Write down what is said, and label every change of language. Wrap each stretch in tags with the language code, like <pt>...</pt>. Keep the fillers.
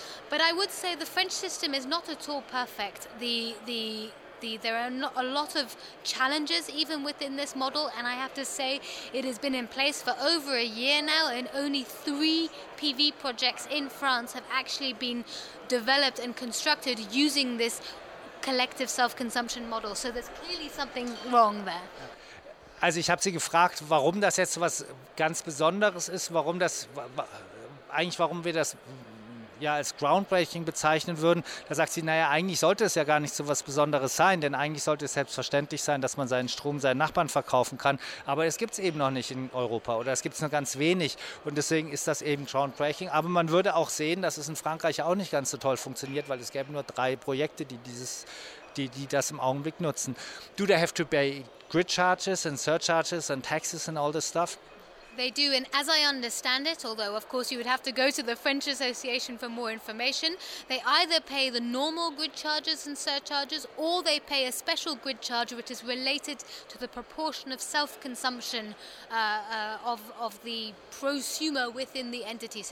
<en>But I would say the French system is not at all perfect. The the the, there are not a lot of challenges even within this model, and I have to say it has been in place for over a year now, and only three PV projects in France have actually been developed and constructed using this collective self-consumption model. So there's clearly something wrong there.</en> <de>Also ich habe Sie gefragt, warum das jetzt so was ganz Besonderes ist, warum das eigentlich, warum wir das ja als groundbreaking bezeichnen würden, da sagt sie, naja, eigentlich sollte es ja gar nicht so was Besonderes sein, denn eigentlich sollte es selbstverständlich sein, dass man seinen Strom seinen Nachbarn verkaufen kann. Aber es gibt es eben noch nicht in Europa oder es gibt es nur ganz wenig und deswegen ist das eben groundbreaking. Aber man würde auch sehen, dass es in Frankreich auch nicht ganz so toll funktioniert, weil es gäbe nur drei Projekte, die dieses die, die das im Augenblick nutzen.</de> <en>Do they have to pay grid charges and surcharges and taxes and all this stuff? They do, and as I understand it, although of course you would have to go to the French Association for more information, they either pay the normal grid charges and surcharges or they pay a special grid charge which is related to the proportion of self consumption uh, uh, of, of the prosumer within the entity.</en>